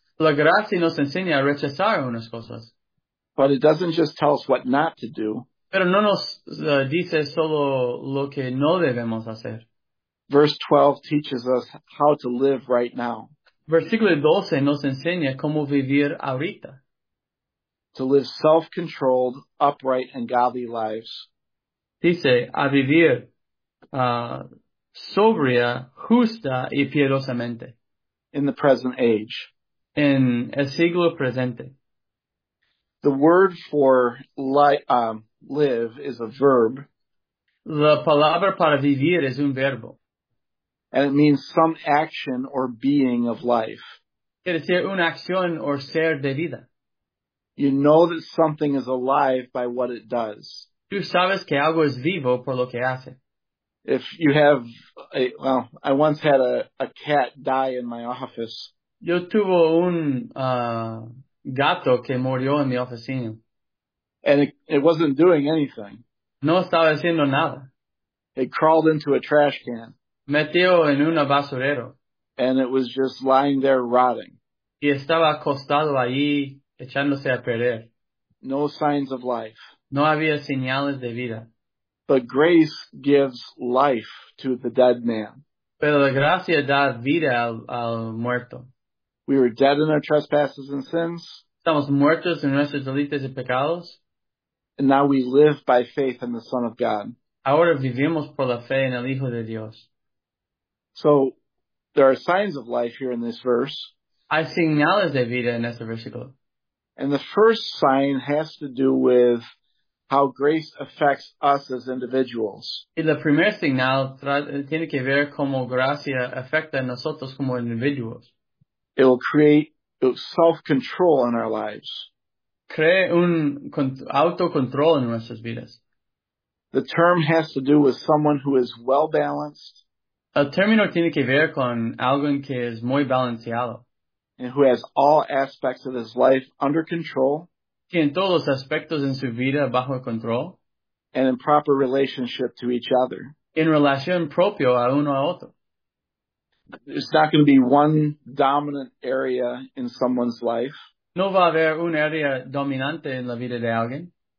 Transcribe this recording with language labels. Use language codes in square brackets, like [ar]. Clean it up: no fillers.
[es] La gracia nos enseña a rechazar unas cosas. [en] But it doesn't just tell us what not to do. [es] Pero no nos dice solo lo que no debemos hacer. [en] Verse 12 teaches us how to live right now. [es] Versículo 12 nos enseña cómo vivir ahorita. [en] To live self-controlled, upright, and godly lives. [es] Dice, a vivir sobria, justa, y piedosamente. [en] In the present age. [es] En el siglo presente. [en] The word for live is a verb. [es] La palabra para vivir es un verbo. [en] And it means some action or being of life. [es] Quiere decir una acción o ser de vida. [en] You know that something is alive by what it does. [es] Tú sabes que algo es vivo por lo que hace. [en] If you have, I once had a cat die in my office. [es] Yo tuve un gato que murió en mi oficina. [en] And it wasn't doing anything. [es] No estaba haciendo nada. [en] It crawled into a trash can. [es] Metió en una basurero. [en] And it was just lying there rotting. [es] Y estaba acostado ahí echándose a perder. [en] No signs of life. [es] No había señales de vida. [en] But grace gives life to the dead man. [es] Pero la gracia da vida al muerto. [en] We were dead in our trespasses and sins. [es] Estamos muertos en nuestros delitos y pecados. [en] And now we live by faith in the Son of God. [es] Ahora vivimos por la fe en el Hijo de Dios. [en] So there are signs of life here in this verse. [es] Hay señales de vida en este versículo. [en] And the first sign has to do with how grace affects us as individuals. [es] Y la primera señal tiene que ver cómo gracia afecta a nosotros como individuos. [en] It will create self-control in our lives. [es] Crea un autocontrol en nuestras vidas. [en] The term has to do with someone who is well-balanced. [es] El término tiene que ver con alguien que es muy balanceado. [en] And who has all aspects of his life under control. [es] Tiene todos los aspectos en su vida bajo control. [en] And in proper relationship to each other. [es] En relación propio a uno a otro. [en] There's not going to be one dominant area in someone's life. [es] No va a haber un área dominante en la vida de alguien.